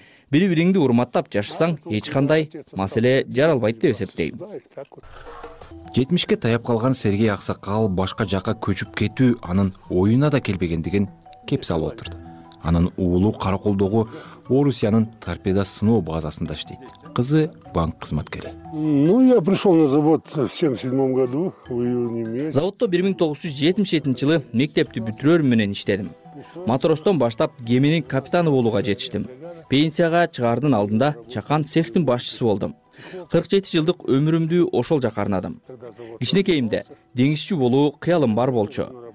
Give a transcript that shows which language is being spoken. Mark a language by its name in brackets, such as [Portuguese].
[Kyrgyz] Бири-бириңди урматтап жашасаң, эч кандай маселе жаралбайт деп эсептейм. 70'ке таяп калган Сергей Аксакал башка жака көчүп кетүү анын оюна да келбегендигин кеп салып отурду. Анын уулу Караколдогу Орусиянын торпеда сыноо базасында иштейт. Кызы банк кызматкери. [Russian] Ну я пришёл на завод в 77 году, в июне месяце. [Kyrgyz] Заводто 1977 жылы мектепти бүтүрөр менен иштедим. Матростон баштап кеменин капитаны болууга жетиштим. Пенсияга чыгардын алдында чакан цехтин башчысы болдум. 47 жылдык өмүрүмдү ошол жакка арнадым. Кичинекейимде деңизчи болуу кыялым бар болчу.